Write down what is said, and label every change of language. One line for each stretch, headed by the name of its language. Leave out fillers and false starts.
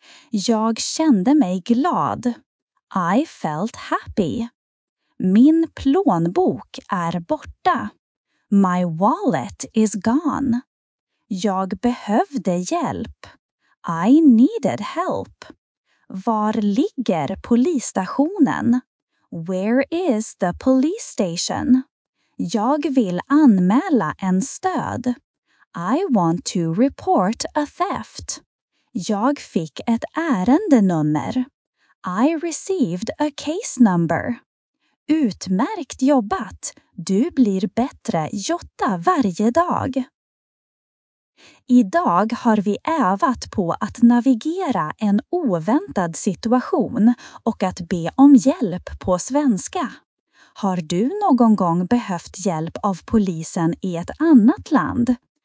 Swedish: Jag kände mig glad.
English: I felt happy.
Swedish: Min plånbok är borta.
English: My wallet is gone.
Swedish: Jag behövde hjälp.
English: I needed help.
Swedish: Var ligger polisstationen?
English: Where is the police station?
Swedish: Jag vill anmäla en stöld.
English: I want to report a theft.
Swedish: Jag fick ett ärendenummer.
English: I received a case number.
Swedish: Utmärkt jobbat. Du blir bättre jotta varje dag. Idag har vi övat på att navigera en oväntad situation och att be om hjälp på svenska. Har du någon gång behövt hjälp av polisen i ett annat land?